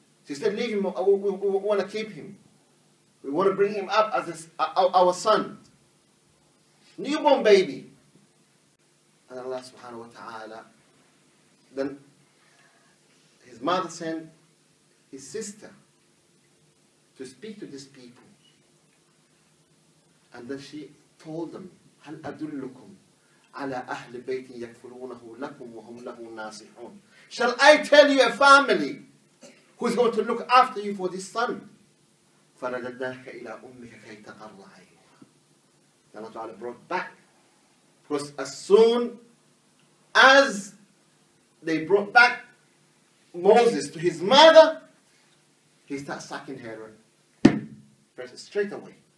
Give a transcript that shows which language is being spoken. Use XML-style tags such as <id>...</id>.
<en>She said, leave him, we want to keep him. We want to bring him up as our son. Newborn baby. And Allah subhanahu wa ta'ala, then his mother sent his sister to speak to these people. And then she told them,</en> <ar>هَلْ أَدُلُّكُمْ عَلَىٰ أَهْلِ بَيْتٍ يَكْفُرُونَهُ لَكُمْ وَهُمْ لَهُ نَاصِحُونَ.</ar> <en>Shall I tell you a family who's going to look after you for this son?</en> <ar>فَرَدَدَّاكَ إِلَىٰ أُمِّكَ كَيْ تَقَرَّ عَيْنُهَا.</ar> <en>Allah Ta'ala brought back. Because as soon as they brought back Moses to his mother, he started sucking her breast straight away.</en>